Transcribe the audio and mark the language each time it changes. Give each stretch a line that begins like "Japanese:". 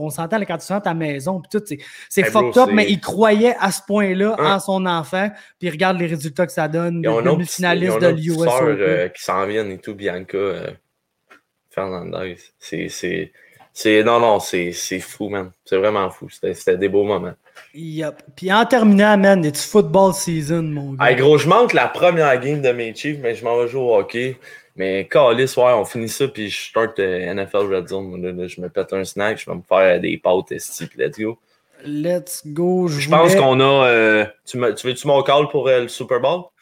French: On s'entend quand tu sens ta maison, puis tout, c'est fucked up, mais il croyait à ce point-là en son enfant, puis regarde les résultats que ça donne. Il y a un finaliste de l'US Open qui s'en vient et tout, Bianca Fernandez. C'est fou, man. C'est vraiment fou. C'était des beaux moments. Yep. Puis en terminant, man,
English: it's football season,
French: mon gars. Hey, gros, je manque la première game de mes Chiefs, mais je m'en vais jouer au hockey. Mais calice, ouais, on finit ça, puis je start NFL Red Zone. Là, je me pète un snack, je vais me faire des pâtes esti, puis
English: let's go. Let's go.
French: Je pense qu'on a... Tu veux-tu mon call pour le Super Bowl?